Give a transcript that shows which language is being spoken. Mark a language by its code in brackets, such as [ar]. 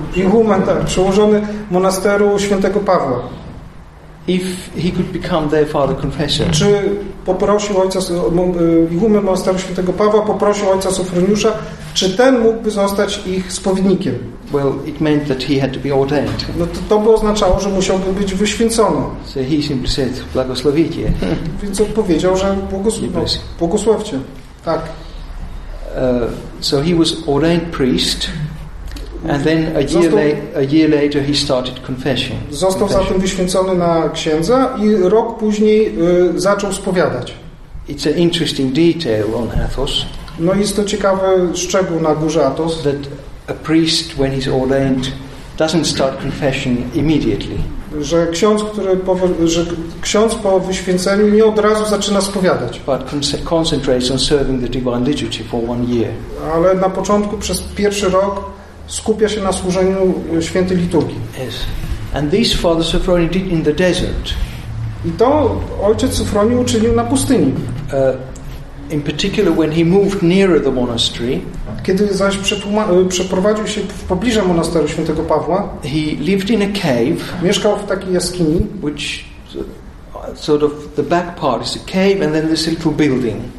[pl] Ihuman, tak, przełożony monasteru świętego Pawła. [en] If he could become their father confessor. [pl] Czy poprosił ojca ihumen monasteru świętego Pawła, poprosił ojca Sofroniusza, czy ten mógłby zostać ich spowiednikiem? [en] Well, it meant that he had to be ordained. [pl] No to by oznaczało, że musiałby być wyświęcony. [en] So he simply said, błogosławicie. [pl] Więc on powiedział, że błogosławcie. Tak. [en] So he was ordained priest, and then a year later he started confessing. [pl] Został zatem wyświęcony na księdza i rok później zaczął spowiadać. [en] It's an interesting detail on Athos. [pl] No jest to ciekawy szczegół na górze Athos, [en] that a priest when he's ordained doesn't start confessing immediately. [pl] Że ksiądz, który ksiądz po wyświęceniu nie od razu zaczyna spowiadać. [en] But concentrates on serving the divine liturgy for one year. [pl] Ale na początku przez pierwszy rok skupia się na służeniu świętej liturgii. [en] Yes. And these Father Sofroni did in the desert. [pl] I to ojciec Sofroni uczynił na pustyni. [en] In particular when he moved nearer the monastery. [pl] Kiedy zaś przeprowadził się w pobliże monasteru świętego Pawła. [en] He lived in a cave. [pl] Mieszkał w takiej jaskini, [en] which sort of the back part is a cave and then this little building.